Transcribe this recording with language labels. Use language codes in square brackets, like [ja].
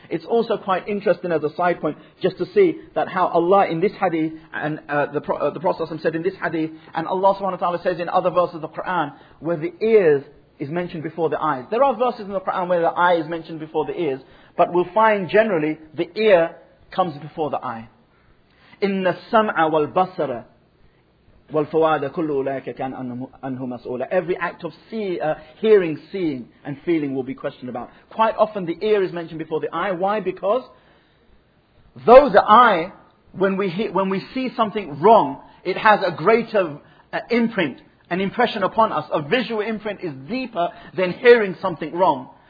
[en] It's also quite interesting as a side point just to see that how Allah in this hadith and the Prophet said in this hadith and Allah subhanahu wa ta'ala says in other verses of the Quran where the ears is mentioned before the eyes. There are verses in the Quran where the eye is mentioned before the ears, but we'll find generally the ear comes before the eye. [ar] إِنَّ السَّمْعَ وَالْبَصَرَ وَالْفُوَادَ كُلُّ أُولَٰئِكَ كَانَ عَنْهُ مَسْؤُولًا. [en] Every act of hearing, seeing and feeling will be questioned about. Quite often the ear is mentioned before the eye. Why? Because though the eye, when we see something wrong, it has a greater imprint, an impression upon us. A visual imprint is deeper than hearing something wrong.